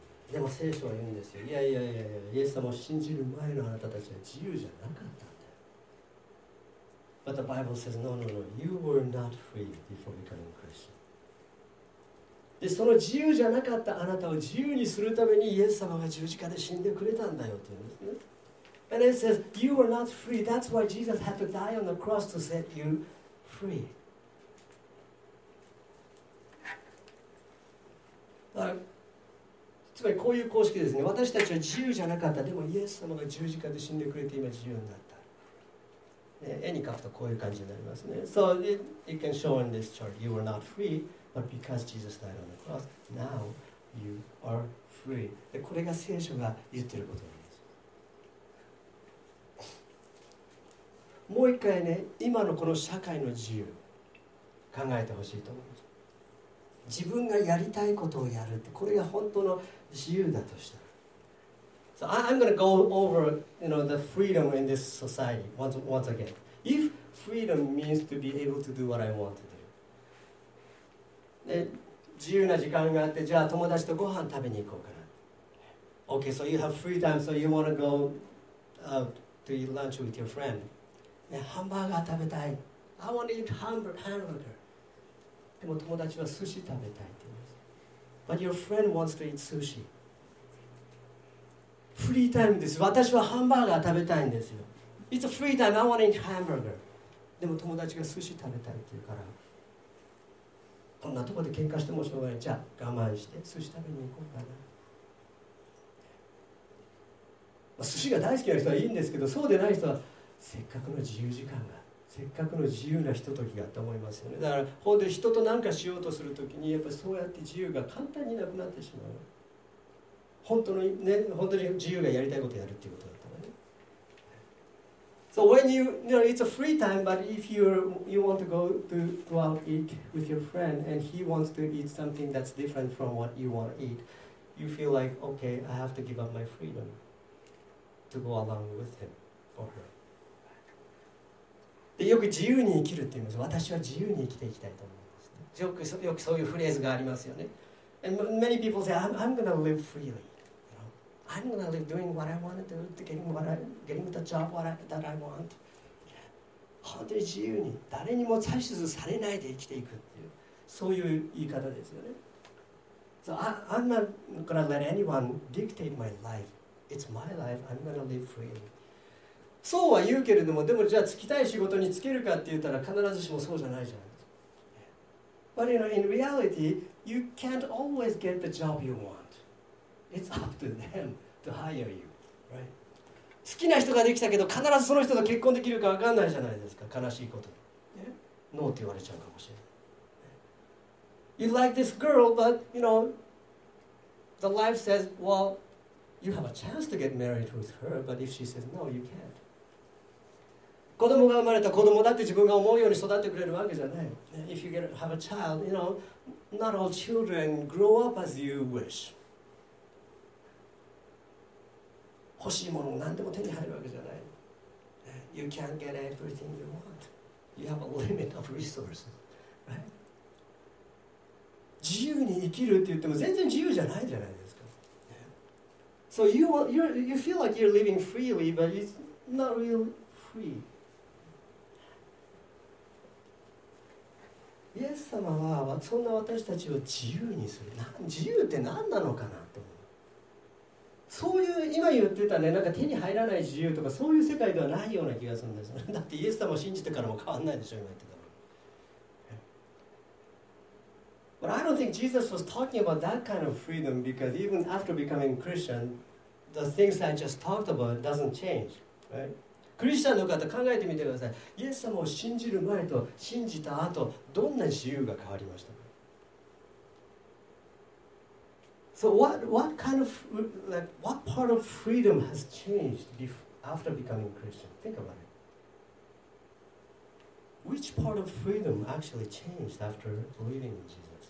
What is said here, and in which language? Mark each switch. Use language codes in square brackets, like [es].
[ja] でも聖書は言うんですよ。いやいやいやいや、イエス様を信じる前のあなたたちは自由じゃなかったんだよ。 [en] But the Bible says, no, no, no, you were not free before becoming Christian. [ja] で、その自由じゃなかったあなたを自由にするためにイエス様が十字架で死んでくれたんだよって言うんですね。 [en] And it says, you were not free. That's why Jesus had to die on the cross to set you free. [ja] つまりこういう公式ですね。私たちは自由じゃなかった、でもイエス様が十字架で死んでくれて今自由になった、ね、絵に描くとこういう感じになりますね。 [en] So it can show in this chart you were not free but because Jesus died on the cross now you are free. [ja] でこれが聖書が言ってることなんです。もう一回ね、今のこの社会の自由考えてほしいと思います。自分がやりたいことをやるって、これが本当の自由だとしたら、 [en] So I'm going to go over, you know, the freedom in this society once again. If freedom means to be able to do what I want to do, [ja] で自由な時間があって、じゃあ友達とご飯食べに行こうかな。 [en] Okay, so you have free time, so you want to go out to eat lunch with your friend. [ja] ハンバーガー食べたい。 [en] I want to eat hamburger. [ja] でも友達は寿司食べたいって言います。 [en] But your friend wants to eat sushi. [ja] フリータイムです。私はハンバーガー食べたいんですよ。 [en] It's a free time. I want to eat hamburger. [ja] でも友達が寿司食べたいって言うから、こんなところで喧嘩してもしょうがない。じゃあ我慢して寿司食べに行こうかな。まあ、寿司が大好きな人はいいんですけど、そうでない人はせっかくの自由時間が、せっかくの自由なひとときがあって思いますよね。だから本当に人と何かしようとするときに、やっぱりそうやって自由が簡単になくなってしまう。本当のね、本当に自由がやりたいことをやるっていうことだったらね。 [en] So when you, you know, it's a free time, but if you want to go to go out eat with your friend and he wants to eat something that's different from what you want to eat, you feel like, okay, I have to give up my freedom to go along with him or her. [ja] でよく自由に生きるって言います。私は自由に生きていきたいと思います、ね、よくそういうフレーズがありますよね。 [en] And many people say, I'm going to live freely. You know? I'm going to live doing what I want to do, getting the job that I want. [ja] 本当に自由に、誰にも指図されないで生きていくっていう、そういう言い方ですよね。 [en] So I'm not going to let anyone dictate my life. It's my life. I'm going to live freely. [ja] そうは言うけれども、でもじゃあ就きたい仕事に就けるかって言ったら必ずしもそうじゃないじゃん。 [en] But you know, in reality, you can't always get the job you want. It's up to them to hire you. [ja] 好きな人ができたけど必ずその人と結婚できるか分かんないじゃないですか。悲しいことに、ノーって言われちゃうかもしれない。 [en] You like this girl but you know the life says well you have a chance to get married with her but if she says no you can't。 [ja] 子供が生まれた子供だって自分が思うように育ってくれるわけじゃない。 [en] If you have a child you know not all children grow up as you wish。 [ja] 欲しいものを何でも手に入るわけじゃない。 [en] You can't get everything you want. You have a limit of resources.、Right? [ja] 自由に生きるって言っても全然自由じゃないじゃないですか。 [en] So you feel like you're living freely, but it's not really free. [ja] イエス様はそんな私たちを自由にする。自由って何なのかなと。そういう今言ってたね、なんか手に入らない自由とかそういう世界ではないような気がするんです。だってイエス様を信じてからも変わんないでしょ、今言ってたの。 [en] But I don't think Jesus was talking about that kind of freedom because even after becoming Christian, the things I just talked about doesn't change, right? [ja] クリスチャンの方考えてみてください。イエス様を信じる前と信じた後、どんな自由が変わりましたか？ [en] So what kind of, like, what part of freedom has changed after becoming Christian? Think about it. Which part of freedom actually changed after believing in Jesus?